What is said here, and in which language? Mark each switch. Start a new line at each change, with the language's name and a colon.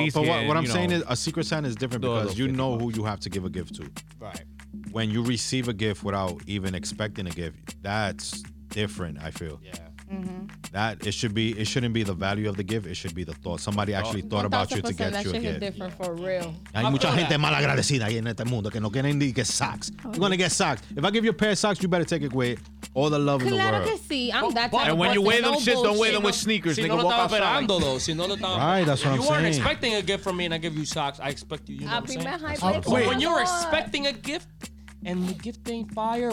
English: But what I'm saying is, a Secret Santa is different because you know who you have to give a gift to. Right. When you receive a gift without even expecting a gift, that's different, I feel. Yeah. Mm-hmm. It shouldn't be the value of the gift. It should be the thought. Somebody actually thought about you to get you a gift. That shit is different for real.
Spanish: Hay mucha gente mal agradecida en este mundo que no quieren ni
English: get socks. You're going to get socks. If I give you a pair of socks, you better take it with all the love in the world.
Spanish: Claro que sí.
English: I'm that type of person. And when you wear them shit, don't wear them with sneakers.
Spanish: Si no lo estaba esperando,
English: though.
Spanish: Si no lo estaba.
English: Right, that's what I'm saying. If you weren't expecting a gift from me and I give you socks, I expect you know what I'm saying? I'll be my high. When you're expecting a gift, and the gift ain't fire.